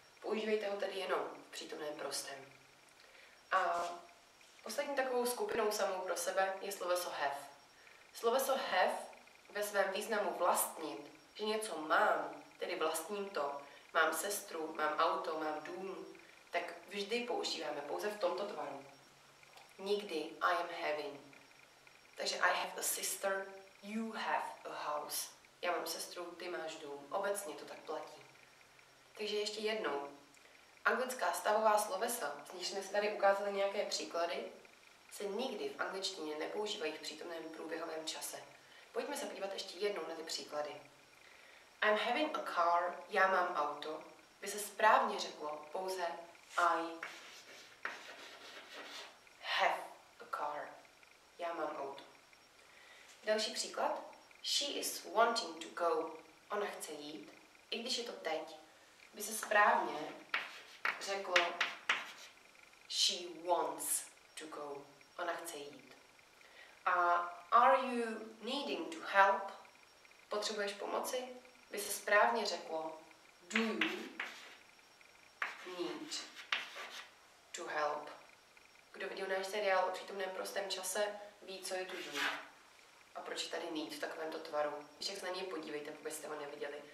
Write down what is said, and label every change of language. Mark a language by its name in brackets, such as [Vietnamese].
[Czech] Používejte ho tedy jenom v přítomném prostém. A poslední takovou skupinou samou pro sebe je sloveso have. Sloveso have ve svém významu vlastnit, že něco mám, tedy vlastním to, mám sestru, mám auto, mám dům, tak vždy používáme pouze v tomto tvaru. Nikdy [English] I am having. [Czech] Takže [English] I have a sister, you have a house. [Czech] Já mám sestru, ty máš dům. Obecně to tak platí. Takže ještě jednou. Anglická stavová slovesa, z níž jsme se tady ukázali nějaké příklady, se nikdy v angličtině nepoužívají v přítomném průběhovém čase. Pojďme se podívat ještě jednou na ty příklady. [English] I'm having a car, [Czech] já mám auto, by se správně řeklo pouze [English] I have a car, [Czech] já mám auto. Další příklad. [English] She is wanting to go. [Czech] Ona chce jít. I když je to teď, by se správně řeklo [English] She wants to go. [Czech] Ona chce jít. [English] A are you needing to help? [Czech] Potřebuješ pomoci? By se správně řeklo [English] Do you need to help? [Czech] Kdo viděl náš seriál o přítomném prostém čase, ví, co je to do. A proč je tady need v takovémto tvaru? Ještě se na něj podívejte, pokud jste ho neviděli.